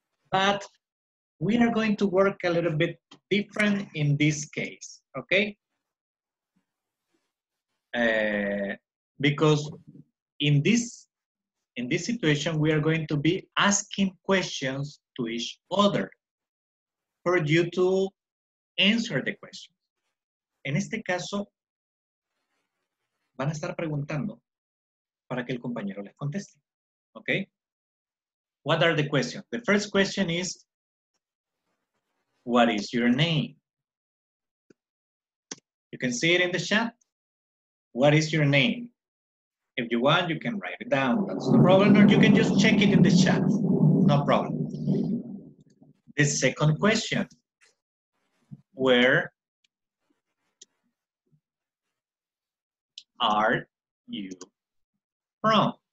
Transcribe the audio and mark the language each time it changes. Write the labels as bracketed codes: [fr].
[en] But we are going to work a little bit different in this case, okay? Because in this situation, we are going to be asking questions to each other for you to answer the questions. [es] En este caso, van a estar preguntando para que el compañero les conteste, okay? [en] What are the questions? The first question is, what is your name? You can see it in the chat. What is your name? If you want, you can write it down. That's no problem, or you can just check it in the chat. No problem. The second question, where are you from?